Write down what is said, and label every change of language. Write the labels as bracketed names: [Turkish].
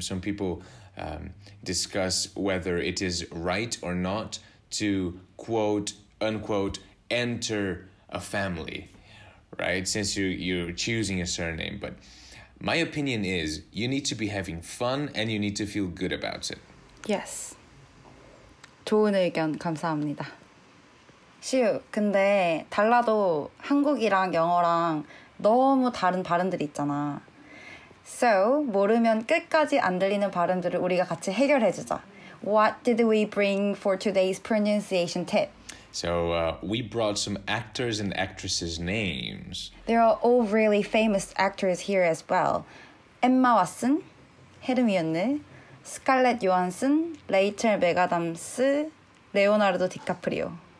[English] Some people discuss whether it is right or not to, quote, unquote, enter a family, right? Since you're choosing a surname. But my opinion is you need to be having fun and you need to feel good about it. [Korean] Yes. 좋은 의견 감사합니다. 시우, 근데 달라도 한국이랑 영어랑 너무 다른 발음들이 있잖아. So, 모르면 끝까지 안 들리는 발음들을 우리가 같이 해결해주자. [English] What did we bring for today's pronunciation tip? So we brought some actors and actresses' names. There are all really famous actors here as well. Emma Watson, Hermione, Scarlett Johansson, Rachel McAdams, Leonardo DiCaprio.